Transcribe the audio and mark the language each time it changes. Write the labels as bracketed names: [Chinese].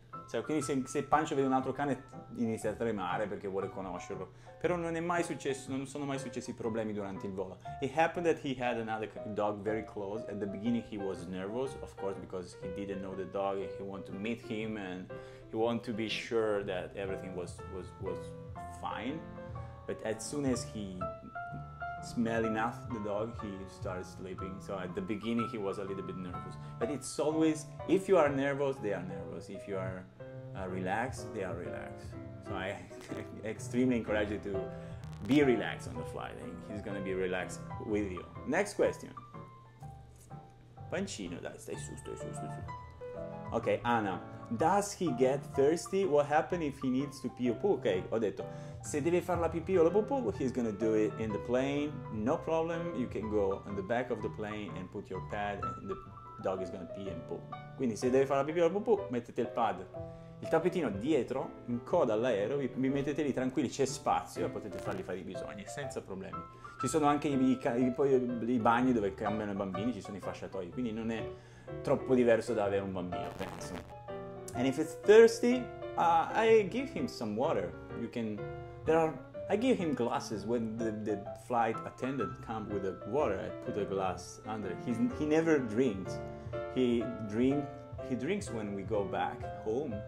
[Italian] Cioè, quindi se Pancho vede un altro cane inizia a tremare perché vuole conoscerlo. Però non è mai successo, non sono mai successi problemi durante il volo. [English] It happened that he had another dog very close. At the beginning he was nervous, of course, because he didn't know the dog. He wanted to meet him and he wanted to be sure that everything was fine. But as soon as he smelled enough the dog, he started sleeping. So at the beginning he was a little bit nervous. But it's always, if you are nervous, they are nervous. If you are relaxed, they are relaxed. So I extremely encourage you to be relaxed on the flight, and he's gonna be relaxed with you. Next question. [Italian] Pancino, dai, stai su, stai su, stai su. [English] Okay, Anna, does he get thirsty? What happens if he needs to pee or poo? Okay, [Italian] ho detto, se deve fare la pipì o la pupù, [English] he's gonna do it in the plane, no problem, you can go on the back of the plane and put your pad and the dog is gonna pee and poo. [Italian] Quindi se deve fare la pipì o la pupù, mettete il pad, il tappetino dietro, in coda all'aereo, vi mettete lì tranquilli, c'è spazio e potete fargli fare i bisogni senza problemi. Ci sono anche i bagni dove cambiano i bambini, ci sono i fasciatoi, quindi non è troppo diverso da avere un bambino, penso. [English] And if it's thirsty, I give him some water. You can, I give him glasses when the flight attendant comes with the water. I put a glass under. He never drinks. He drinks when we go back home.